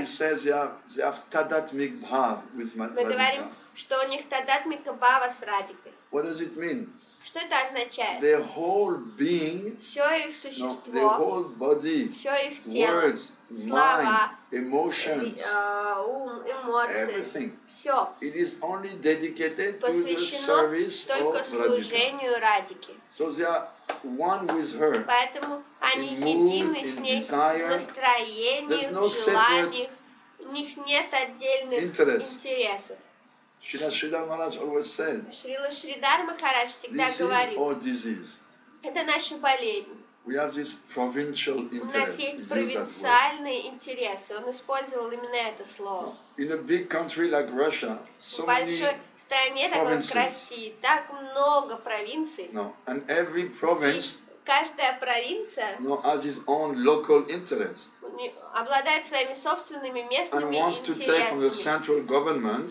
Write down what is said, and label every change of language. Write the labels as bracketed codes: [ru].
[en] we say they have tadatmik bhav with Radhika. [ru] Мы говорим, что у них тадатмика бхава с Радикой. [en] What does it mean? [ru] Что это означает? [en] Their whole being, [ru] все их существо, [en] no, their whole body, [ru] все их тело, [en] words, [ru] слова, [en] mind, emotions, [ru] эмоции, [en] everything. [ru] Все. [en] It is only dedicated to the service [ru] только [en] of [ru] служению Радики. [en] So they are one with her. [ru] Поэтому они едины с ней в настроении, в желаниях. У них нет отдельных интересов. [en] Шрила Шридхар Махарадж always said. [ru] Шрила Шридхар Махарадж всегда говорит. Это наша болезнь. [en] We have this provincial interest. [ru] У нас есть провинциальные интересы. Он использовал именно это слово. [en] In a big country like Russia, so many provinces. [ru] Так много провинций. [en] No, and every province. [ru] Каждая провинция. [en] No, has its own local interest. [ru] Обладает своими собственными местными [en] And wants to take from the central government.